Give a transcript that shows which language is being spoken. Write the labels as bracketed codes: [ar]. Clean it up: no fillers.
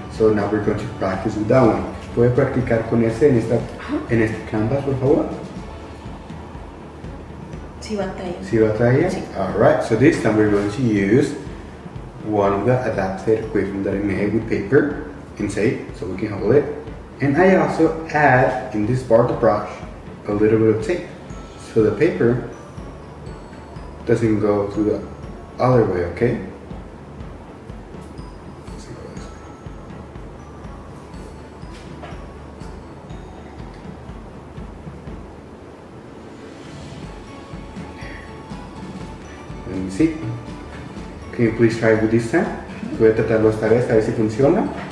[en] So now we're going to practice with that one. [es] ¿Puede practicar con ese en este canvas, por favor? Sí, batalla. ¿Sí, batalla? Sí. [en] All right, so this time we're going to use one of the adapted equipment that I made with paper and tape, so we can hold it. And I also add, in this part of the brush, a little bit of tape. So the paper doesn't go to the other way, okay? Let me see. Can you please try it with this time? [es] Voy a tratarlo esta vez, a ver si funciona.